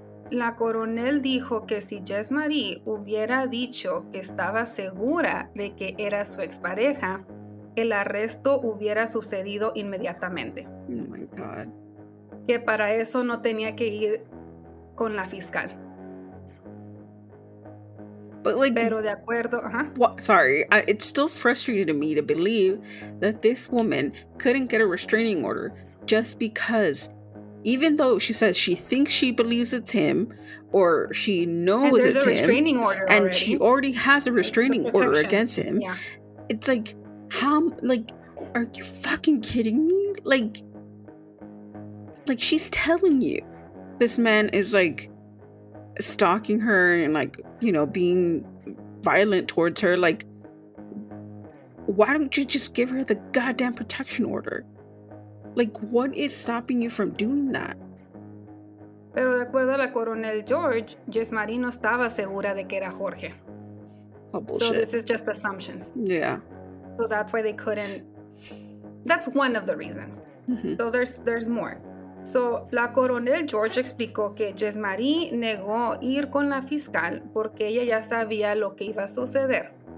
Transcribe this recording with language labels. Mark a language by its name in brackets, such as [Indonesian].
[Spanish] La coronel dijo que si Jesmarie hubiera dicho que estaba segura de que era su expareja, el arresto hubiera sucedido inmediatamente. [English] Oh my God. [Spanish] Que para eso no tenía que ir con la fiscal. [English] But like, [Spanish] pero de acuerdo, [English] it's still frustrating to me to believe that this woman couldn't get a restraining order just because. Even though she says she thinks she believes it's him, or she knows it's him, and there's a restraining order already. And she already has a restraining order against him. Yeah. It's like, are you fucking kidding me? Like she's telling you this man is like stalking her and being violent towards her. Like, why don't you just give her the goddamn protection order? Like, what is stopping you from doing that? [Spanish] Pero de acuerdo a la coronel George, Jesmarie no estaba segura de que era Jorge. [English] Oh, bullshit. So this is just assumptions. Yeah. So that's why they couldn't That's one of the reasons. Mm-hmm. So there's more. [Spanish] So la coronel George explicó que Jesmarie negó ir con la fiscal porque ella ya sabía lo que iba a suceder.